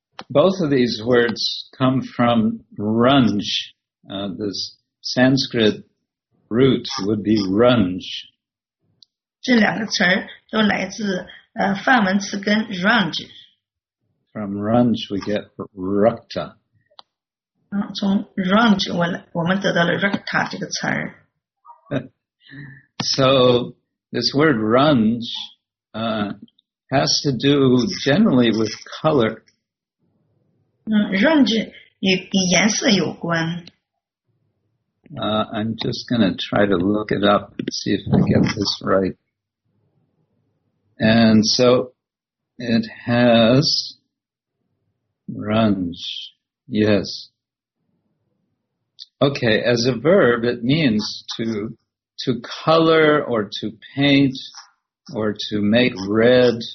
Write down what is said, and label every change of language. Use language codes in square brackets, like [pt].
[en] Both of these words come from runj. This Sanskrit root would be runj. [zh] 这两个词儿都来自梵文词根 range。 [en] From runj we get rakta. [zh] 从 range 我们得到了 recta 这个词儿。 [en] So this word runj has to do generally with color. [zh] range 与颜色有关。 [en] I'm just going to try to look it up and see if I get this right. And so it has runj, yes. Okay, as a verb, it means to color or to paint or to make red.